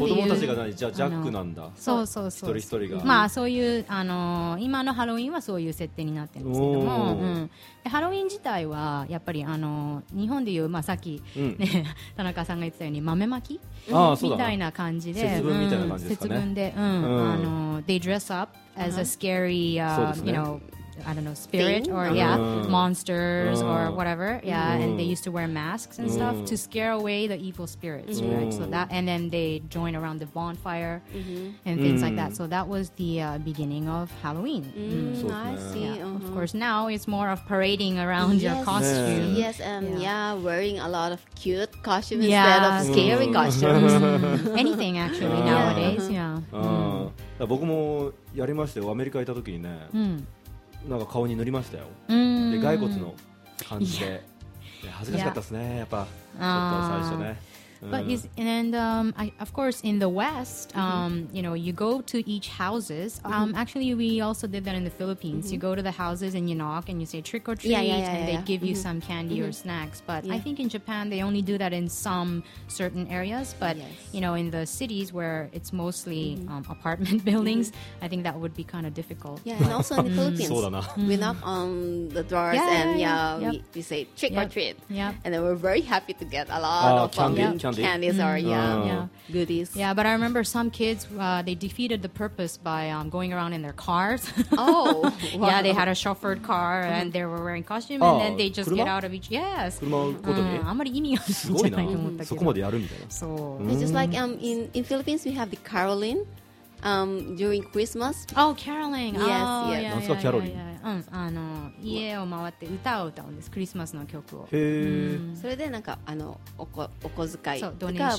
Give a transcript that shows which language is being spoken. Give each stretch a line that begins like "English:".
Japanese: 子供たちが何、じゃあジャックなんだ。そうそうそう、一人一人が、まあ、そういう今のハロウィンはそういう設定になってるんですけども、うん、でハロウィン自体はやっぱり日本でいう、まあ、さっき、ね、うん、田中さんが言ってたように豆まき、うん、みたいな感じで、節分みたいな感じですかね、節分で、うんうん、
English: they dress up as a scary、ね、you know、I don't know, spirit or yeah, monsters or whatever. Yeah, and they used to wear masks and stuff to scare away the evil spirits, right? So that, and then they join around the bonfire and things like that. So that was the beginning of Halloween. I see. Of course, now it's more of parading around your costume. Yes, and wearing a lot of cute costumes instead of scary costumes. Anything actually nowadays, yeah.
Japanese: 僕もやりましたよ。アメリカ行った時にね。なんか顔に塗りましたよ。で、骸骨の感じで、恥ずかしかったですね。やっぱちょっと最初ね。
English: But is and of course in the West, you know, you go to each houses. Actually, we also did that in the Philippines. You go to the houses and you knock and you say trick or treat, and they give you some candy or snacks. But I think in Japan they only do that in some certain areas. But you know, in the cities where it's mostly apartment buildings, I think that would be kind of difficult. Yeah, and also in the Philippines, we knock on the doors we say trick or treat, and then we're very happy to get a lot of candy. Candies are goodies. Yeah, but I remember some kids, they defeated the purpose by going around in their cars. Oh, wow. Yeah, they had a chauffeured car and they were wearing costume and then they just get out of each. Yes.
Japanese: あんまり意味があるんじゃないと思ったけど。そこまでやるみたいな。
English: So, just like in Philippines, we have the carolin during Christmas. Oh, caroling. Yes.
Japanese: 懐かしいキャロリン。家を回って歌を歌うんです、クリスマスの曲を。へえ、うん、それでなんかお小遣いとか